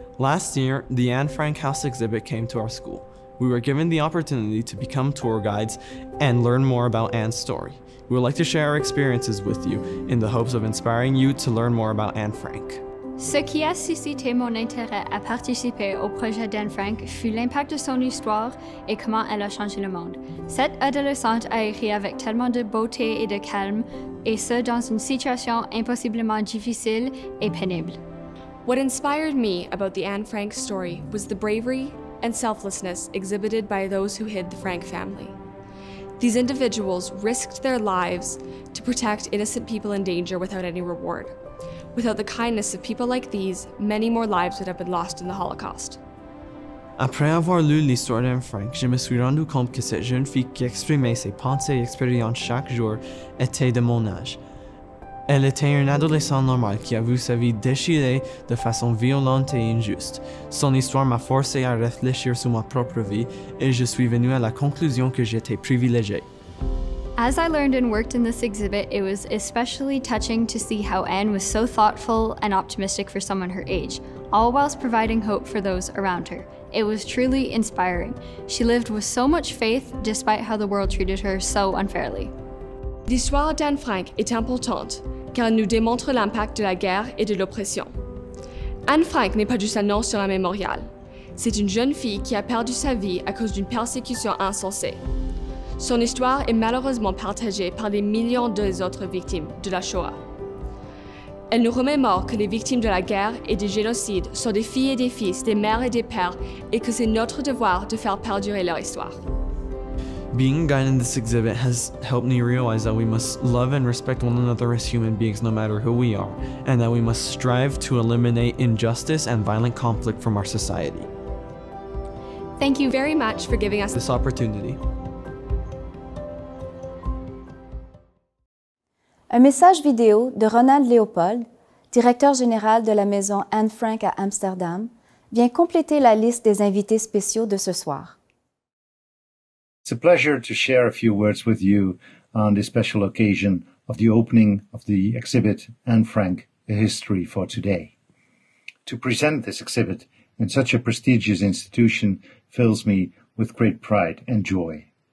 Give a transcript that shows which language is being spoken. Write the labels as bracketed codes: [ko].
[en] Last year, the Anne Frank House exhibit came to our school. We were given the opportunity to become tour guides and learn more about Anne's story. We would like to share our experiences with you in the hopes of inspiring you to learn more about Anne Frank. [fr] Ce qui a suscité mon intérêt à participer au projet d'Anne Frank fut l'impact de son histoire et comment elle a changé le monde. Cette adolescente a écrit avec tellement de beauté et de calme, et ce dans une situation impossiblement difficile et pénible. [en] What inspired me about the Anne Frank story was the bravery and selflessness exhibited by those who hid the Frank family. These individuals risked their lives to protect innocent people in danger without any reward. Without the kindness of people like these, many more lives would have been lost in the Holocaust. [fr] Après avoir lu l'histoire d'Anne Frank, je me suis rendu compte que cette jeune fille qui exprimait ses pensées et expériences chaque jour était de mon âge. Elle était une adolescente normale qui a vu sa vie déchirée de façon violente et injuste. Son histoire m'a forcé à réfléchir sur ma propre vie et je suis venu à la conclusion que j'étais privilégié. [en] As I learned and worked in this exhibit, it was especially touching to see how Anne was so thoughtful and optimistic for someone her age, all whilst providing hope for those around her. It was truly inspiring. She lived with so much faith despite how the world treated her so unfairly. [fr] L'histoire d'Anne Frank est importante car elle nous démontre l'impact de la guerre et de l'oppression. Anne Frank n'est pas juste un nom sur un mémorial. C'est une jeune fille qui a perdu sa vie à cause d'une persécution insensée. Son histoire est malheureusement partagée par des millions d'autres victimes de la Shoah. Elle nous remémore que les victimes de la guerre et des génocides sont des filles et des fils, des mères et des pères, et que c'est notre devoir de faire perdurer leur histoire. [en] Being a guide in this exhibit has helped me realize that we must love and respect one another as human beings no matter who we are, and that we must strive to eliminate injustice and violent conflict from our society. Thank you very much for giving us this opportunity. [fr] Un message vidéo de Ronald Leopold, directeur général de la maison Anne Frank à Amsterdam, vient compléter la liste des invités spéciaux de ce soir. [en] It's a pleasure to share a few words with you on this special occasion of the opening of the exhibit Anne Frank, A History for Today. To present this exhibit in such a prestigious institution fills me with great pride and joy.